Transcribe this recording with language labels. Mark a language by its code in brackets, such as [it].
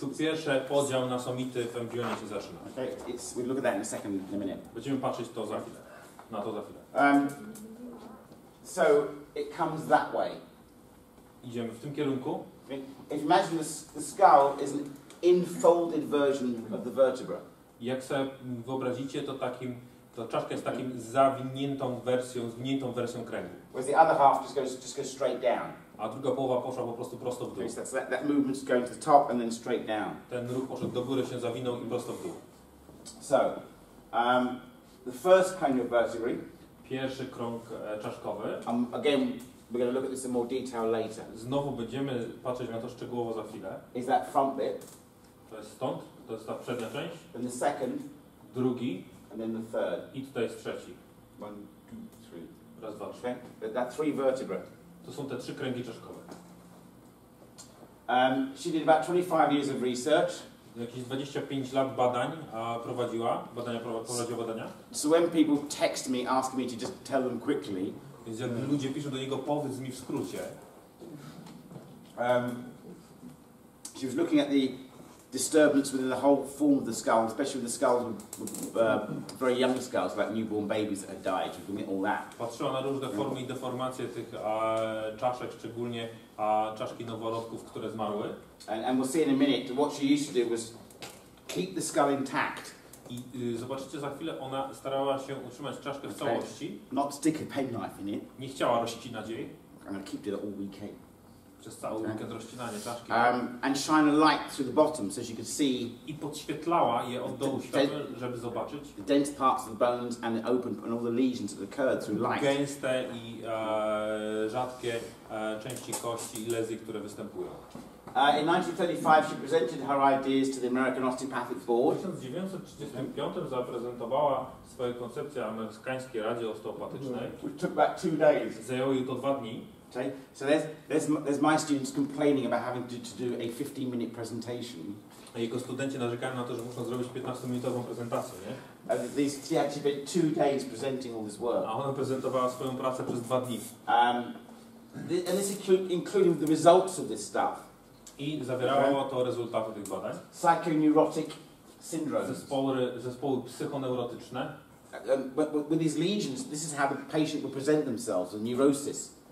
[pl] Tu pierwszy podział na somity w embrionie się zaczyna. [en] Okay, we'll look at that in a second, in a minute. [pl] Będziemy patrzeć to za chwilę. Na to za chwilę. [en] So it comes that way. [pl] Idziemy w tym kierunku. [en] If you imagine the skull is an infolded version of the vertebra. [pl] Jak sobie wyobrazicie, to takim To czaszka jest takim zawiniętą wersją, zwiniętą wersją kręgu. [en] Whereas the other half just goes straight down. [pl] A druga połowa poszła po prostu prosto w dół. [en] So that movement is going to the top and then straight down. [pl] Ten ruch poszedł do góry, się zawinął i prosto w dół. [en] So, the first cranial vertebrae. [pl] Pierwszy krąg czaszkowy. [en] Again, we're going to look at this in more detail later. [pl] Znowu będziemy patrzeć na to szczegółowo za chwilę. [en] Is that front bit? [pl] To jest stąd, to jest ta przednia część. [en] Then the second. [pl] Drugi. [en] And then the third. [pl] I tutaj jest trzeci. [en] One, two, three. [pl] Raz, dwa, trzy. [en] Okay. That three vertebrae. [pl] To są te trzy kręgi czaszkowe. [en] She did about 25 years of research. [pl] Jakieś 25 lat badań prowadziła, badania. [en] So when people text me, ask me to just tell them quickly. [pl] Więc jak ludzie piszą do niego, powiedz mi w skrócie. [en] She was looking at the disturbance within the whole form of the skull, especially the skulls with very young skulls, like newborn babies that had died. She was looking at all that. [pl] Patrzyła na różne formy i deformacje tych czaszek, szczególnie czaszki noworodków, które zmarły. [en] And we'll see in a minute, what she used to do was keep the skull intact. [pl] I zobaczycie za chwilę, ona starała się utrzymać czaszkę w całości. [en] Not stick a penknife in it. [pl] Nie chciała rozcinać jej. [en] And I kept it all weekend. [pl] Przez cały weekend rozcinanie czaszki. [en] And shine a light through the bottom so she could see. [pl] I podświetlała je od dołu światłem, żeby zobaczyć. [en] The dense parts of the bones and the open and all the lesions that occurred through light. [pl] Gęste i rzadkie części kości i lezji, które występują. [en] In 1935 she presented her ideas to the American Osteopathic Board. [pl] W 1935 zaprezentowała swoje koncepcje amerykańskiej Radzie Osteopatycznej. [en] Which took about 2 days. [pl] Zajęło jej to 2 dni. [en] Okay. So there's my students complaining about having to do a 15-minute presentation. [pl] A jego studenci narzekają na to, że muszą zrobić 15-minutową prezentację, nie? [en] These she actually spent 2 days presenting all this work. [pl] A ona prezentowała swoją pracę przez 2 dni. [en] And this including the results of this stuff. [pl] I zawierało to rezultaty tych badań. [en] Psychoneurotic syndrome. [pl] Zespoły psychoneurotyczne. [en] But with these lesions, this is how the patient would present themselves, a neurosis.